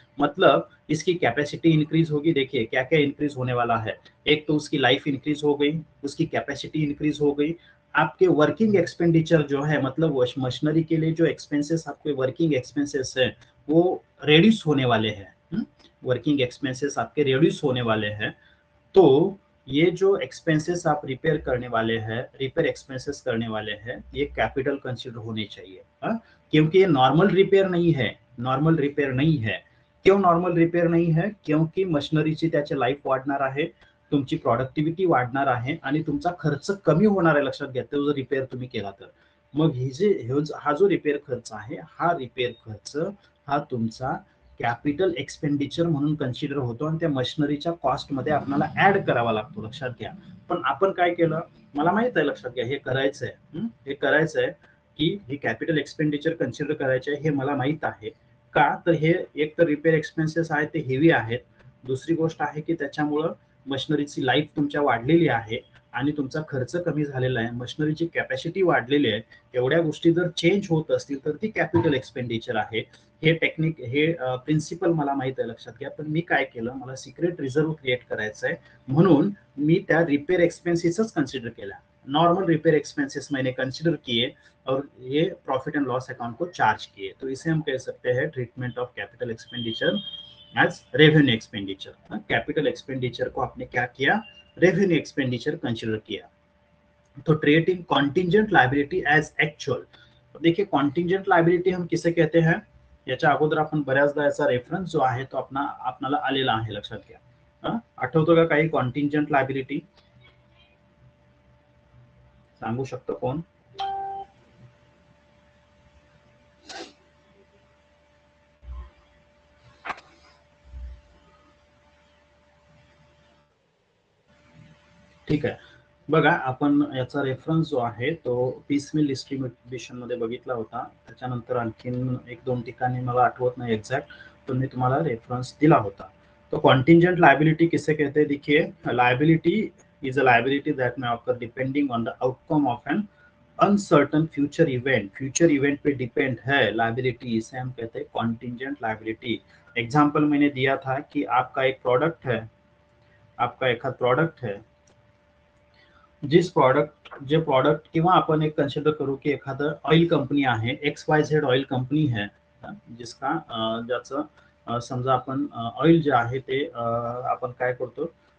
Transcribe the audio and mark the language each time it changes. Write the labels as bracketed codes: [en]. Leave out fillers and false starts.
[hi] मतलब इसकी capacity increase होगी. देखिए क्या क्या इंक्रीज होने वाला है, एक तो उसकी लाइफ इंक्रीज हो गई, उसकी कैपेसिटी इंक्रीज हो गई, आपके वर्किंग एक्सपेंडिचर जो है मतलब मशीनरी के लिए जो एक्सपेंसेस आपके वर्किंग एक्सपेंसेस है वो रिड्यूस होने वाले हैं. वर्किंग एक्सपेंसेस आपके रिड्यूस होने वाले हैं, तो ये जो एक्सपेंसेस आप रिपेयर करने वाले हैं, रिपेयर एक्सपेंसेस करने वाले हैं, ये कैपिटल कंसिडर होने चाहिए. क्योंकि ये नॉर्मल रिपेयर नहीं है, नॉर्मल रिपेयर नहीं है. क्यों नॉर्मल रिपेयर नहीं है, क्योंकि [mr] मशीनरीची त्याची लाइफ वाढणार आहे, तुमची प्रॉडक्टिव्हिटी वाढणार आहे आणि तुमचा खर्च कमी होणार आहे, लक्षात घ्या. तो जर रिपेअर तुम्ही केला तर मग हा जो रिपेअर खर्च आहे, हा रिपेअर खर्च हा तुमचा कॅपिटल एक्सपेंडिचर म्हणून कन्सिडर होतो आणि त्या मशिनरीच्या कॉस्टमध्ये आपल्याला ॲड करावा लागतो, लक्षात घ्या. पण आपण काय केलं, मला माहित आहे, लक्षात घ्या, हे करायचं आहे, हे करायचं आहे की हे कॅपिटल एक्सपेंडिचर कन्सिडर करायचं आहे हे मला माहीत आहे. का, तर हे एक तर रिपेअर एक्सपेन्सेस आहेत ते हेवी आहेत, दुसरी गोष्ट आहे की त्याच्यामुळं मशिनरीची लाईफ तुमच्या वाढलेली आहे आणि तुमचा खर्च कमी झालेला आहे, मशिनरीची कॅपॅसिटी वाढलेली आहे. एवढ्या गोष्टी जर चेंज होत असतील तर ती कॅपिटल एक्सपेंडिचर आहे. हे टेक्निक, हे प्रिन्सिपल मला माहीत आहे, लक्षात घ्या. पण मी काय केलं, मला सिक्रेट रिझर्व क्रिएट करायचं आहे म्हणून मी त्या रिपेअर एक्सपेन्सेसच कन्सिडर केला. [hi] नॉर्मल रिपेअर एक्सपेन्सेस मैंने कन्सिडर किए और ये प्रॉफिट एंड लॉस अकाउंट को चार्ज किए. तो इसे हम कह सकते हैं treatment of capital expenditure as revenue expenditure. Capital expenditure को आपने क्या किया, रेवेन्यू एक्सपेंडिचर कंसिडर किया. [en] तो trade in contingent liability as actual. [hi] देखिए कॉन्टिंजेंट लायबिलिटी हम किसे कहते हैं, [mr] याच्या अगोदर आपण बऱ्याचदा याचा रेफरन्स जो आहे तो आपला आपल्याला आलेला आहे, लक्षात घ्या। आठवतो का काही कॉन्टिंजेंट लायबिलिटी सांगू शकतो कोण? ठीक आहे, बघा आपण याचा रेफरन्स जो आहे तो पीसमील डिस्ट्रीब्युशन मध्ये बघितला होता, त्याच्यानंतर आणखीन एक दोन ठिकाणी मला आठवत नाही एक्झॅक्ट, पण मी तुम्हाला रेफरन्स दिला होता। [hi] तो कॉन्टिंजंट लायबिलिटी किसे कहते हैं, देखिए [en] Liability is a liability that may occur depending on the outcome of an uncertain future event. [hi] Future event पे डिपेंड है लायबिलिटी, इसे हम कहते हैं कॉन्टिंजेंट लायबिलिटी। एग्जाम्पल मैंने दिया था कि आपका एक प्रोडक्ट है, आपका एक प्रोडक्ट है जिस प्रोडक्ट [mr] जे प्रोडक्ट किंवा आपण एक कन्सिडर करू की एखाद ऑइल कंपनी आहे, [hi] x Y Z oil company है जिसका [mr] ज्याचं समजा आपण ऑइल जे आहे ते आपण काय करतो